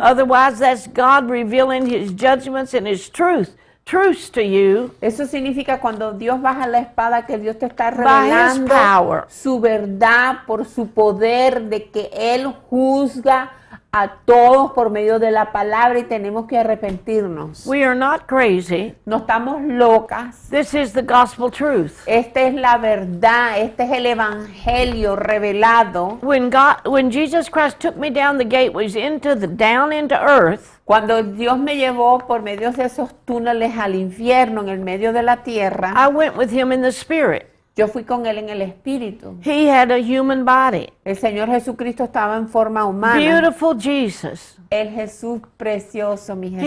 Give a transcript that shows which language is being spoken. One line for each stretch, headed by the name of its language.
English: otherwise that's God revealing his judgments and his truth truce to you.
Spanish: Eso significa cuando Dios baja la espada, que Dios te está revelando su verdad por su poder de que Él juzga a todos por medio de la palabra y tenemos que arrepentirnos.
English: We are not crazy.
Spanish: No estamos locas.
English: This is the gospel truth.
Spanish: Esta es la verdad, este es el evangelio revelado.
English: When Jesus Christ took me down the gateways into the down into earth.
Spanish: Cuando Dios me llevó por medio de esos túneles al infierno en el medio de la tierra.
English: I went with him in the spirit.
Spanish: Yo fui con él en el espíritu.
English: He had a human body.
Spanish: El Señor Jesucristo estaba en forma humana.
English: Beautiful Jesus.
Spanish: El Jesús precioso, mi Jesús.